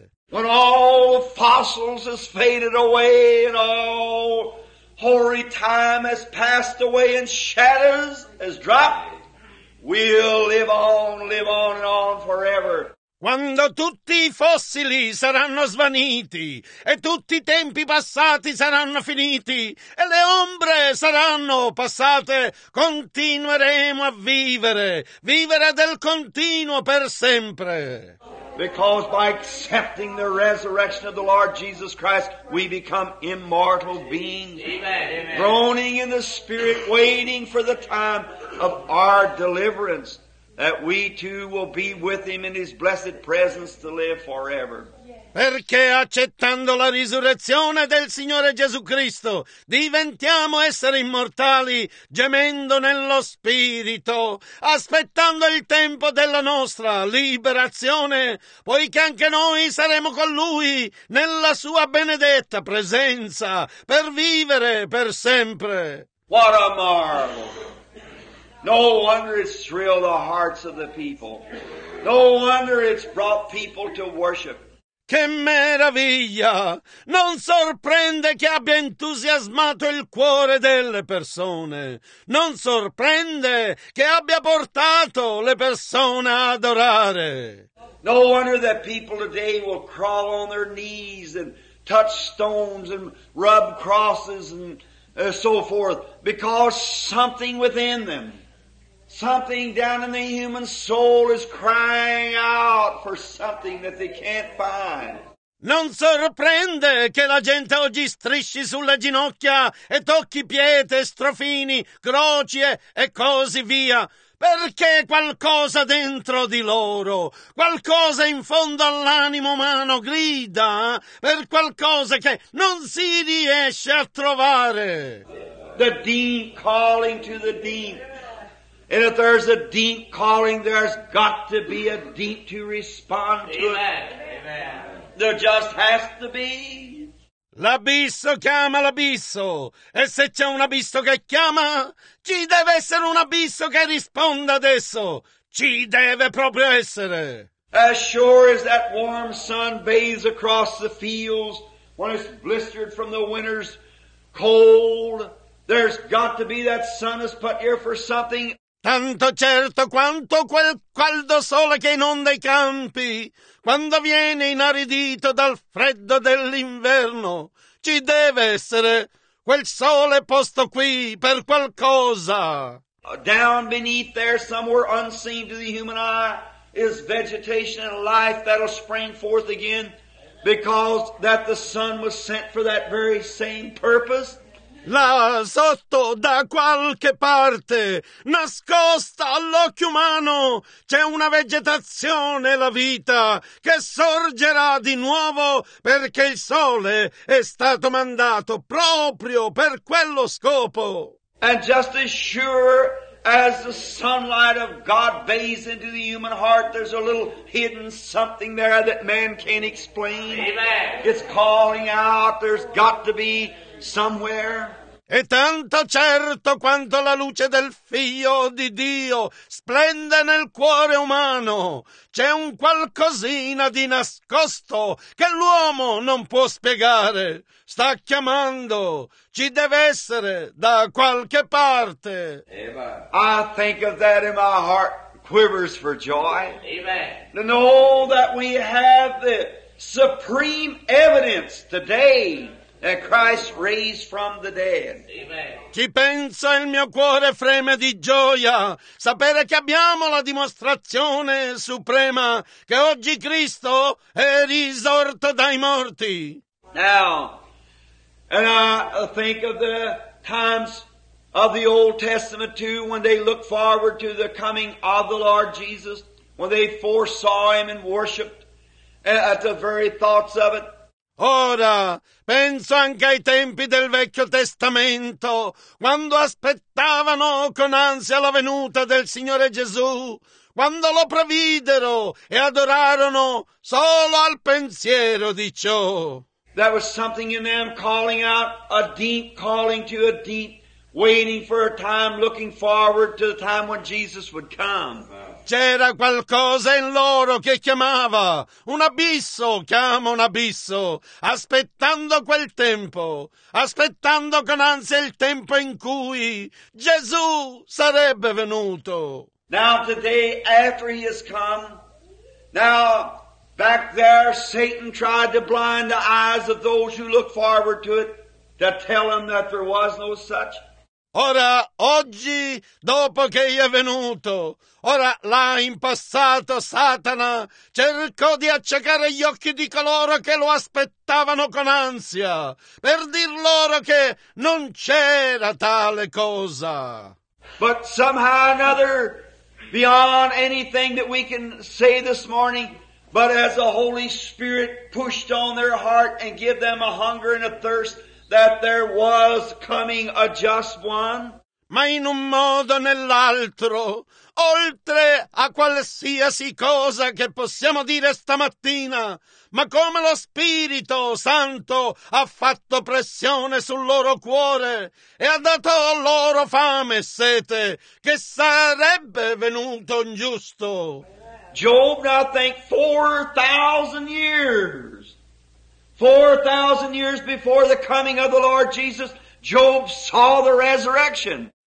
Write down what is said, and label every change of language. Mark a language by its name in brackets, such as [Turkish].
[English] When all the fossils has faded away and all hoary time has passed away and shadows has dropped, we'll live on and on forever. [Italian] Quando tutti i fossili saranno svaniti e tutti i tempi passati saranno finiti e le ombre saranno passate, continueremo a vivere, vivere del continuo per sempre. [English] Because by accepting the resurrection of the Lord Jesus Christ, we become immortal beings. Amen. Groaning in the spirit, waiting for the time of our deliverance, that we too will be with him in his blessed presence to live forever. [Italian] Perché accettando la risurrezione del Signore Gesù Cristo, diventiamo essere immortali, gemendo nello Spirito, aspettando il tempo della nostra liberazione, poiché anche noi saremo con Lui nella Sua benedetta presenza, per vivere per sempre. [English] What a marvel! No wonder it's thrilled the hearts of the people. No wonder it's brought people to worship. [Italian] Che meraviglia! Non sorprende che abbia entusiasmato il cuore delle persone. Non sorprende che abbia portato le persone ad adorare. [English] No wonder that people today will crawl on their knees and touch stones and rub crosses and so forth, because something within them, something down in the human soul is crying out for something that they can't find. [Italian] Non sorprende che la gente oggi strisci sulle ginocchia e tocchi pietre, strofini, croci e così via, perché qualcosa dentro di loro, qualcosa in fondo all'animo umano grida per qualcosa che non si riesce a trovare. [English] The deep calling to the deep. And if there's a deep calling, there's got to be a deep to respond to Amen. It. Amen. There just has to be. [Italian] L'abisso chiama l'abisso, e se c'è un abisso che chiama, ci deve essere un abisso che risponda adesso. Ci deve proprio essere. [English] As sure as that warm sun bathes across the fields when it's blistered from the winter's cold, there's got to be that sun is put here for something. [Italian] Tanto certo quanto quel caldo sole che inonda i campi, quando viene inaridito dal freddo dell'inverno, ci deve essere quel sole posto qui per qualcosa. [English] Down beneath there, somewhere unseen to the human eye, is vegetation and life that'll spring forth again, because that the sun was sent for that very same purpose. [Italian] Là sotto da qualche parte, nascosta all'occhio umano, c'è una vegetazione, la vita, che sorgerà di nuovo perché il sole è stato mandato proprio per quello scopo. [English] And just as sure as the sunlight of God bathes into the human heart, there's a little hidden something there that man can't explain. Amen. It's calling out, there's got to be somewhere. [Italian] E tanto certo quanto la luce del Figlio di Dio splende nel cuore umano, c'è un qualcosina di nascosto che l'uomo non può spiegare. Sta chiamando, ci deve essere da qualche parte. [English] I think of that and my heart quivers for joy. Amen. To know that we have the supreme evidence today that Christ raised from the dead. Amen. [Italian] Chi pensa, il mio cuore freme di gioia, sapere che abbiamo la dimostrazione suprema che oggi Cristo è risorto dai morti. [English] Now, and I think of the times of the Old Testament too, when they looked forward to the coming of the Lord Jesus, when they foresaw Him and worshipped at the very thoughts of it. [Italian] Ora, penso anche ai tempi del Vecchio Testamento, quando aspettavano con ansia la venuta del Signore Gesù, quando lo previdero e adorarono solo al pensiero di ciò. [English] There was something in them calling out, a deep calling to a deep, waiting for a time, looking forward to the time when Jesus would come. [Italian] C'era qualcosa in loro che chiamava, un abisso chiama un abisso, aspettando quel tempo, aspettando con ansia il tempo in cui Gesù sarebbe venuto. [English] Now today, after He has come, now back there Satan tried to blind the eyes of those who looked forward to it, to tell them that there was no such. [Italian] Ora, oggi, dopo che è venuto, ora, là in passato, Satana cercò di accecare gli occhi di coloro che lo aspettavano con ansia, per dir loro che non c'era tale cosa. [English] But somehow another, beyond anything that we can say this morning, but as the Holy Spirit pushed on their heart and give them a hunger and a thirst, that there was coming a just one. [Italian] Ma in un modo o nell'altro, oltre a qualsiasi cosa che possiamo dire stamattina, ma come lo Spirito Santo ha fatto pressione sul loro cuore e ha dato loro fame e sete, che sarebbe venuto un giusto. [English] Job, I think, 4,000 years. 4,000 years before the coming of the Lord Jesus, Job saw the resurrection.